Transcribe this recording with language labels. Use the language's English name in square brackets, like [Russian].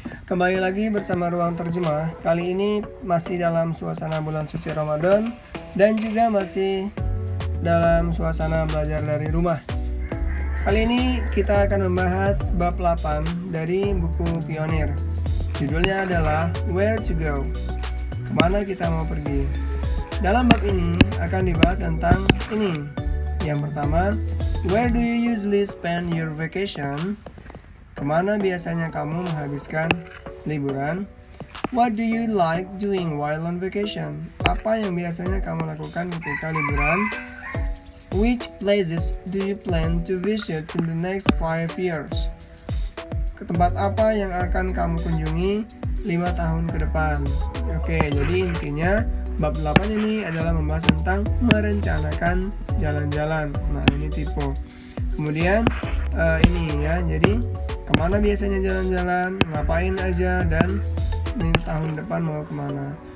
[Indonesian] Kembali lagi bersama Ruang Terjemah. Kali ini masih dalam suasana bulan suci Ramadan dan juga masih dalam suasana belajar dari rumah. Kali ini kita akan membahas bab 8 dari buku Pionir. Judulnya adalah [English] Where to Go? [Indonesian] Kemana kita mau pergi? Dalam bab ini akan dibahas tentang ini. Yang pertama, [English] where do you usually spend your vacation? [Indonesian] Kemana biasanya kamu menghabiskan liburan? [English] What do you like doing while on vacation? [Indonesian] Apa yang biasanya kamu lakukan ketika liburan? [English] Which places do you plan to visit in the next 5 years? [Indonesian] Tempat apa yang akan kamu kunjungi 5 tahun ke depan? Oke, jadi intinya bab 8 ini adalah membahas tentang merencanakan jalan-jalan. Nah, ini tipe. Kemudian ini ya, jadi kemana biasanya jalan-jalan, ngapain aja, dan ini tahun depan mau kemana.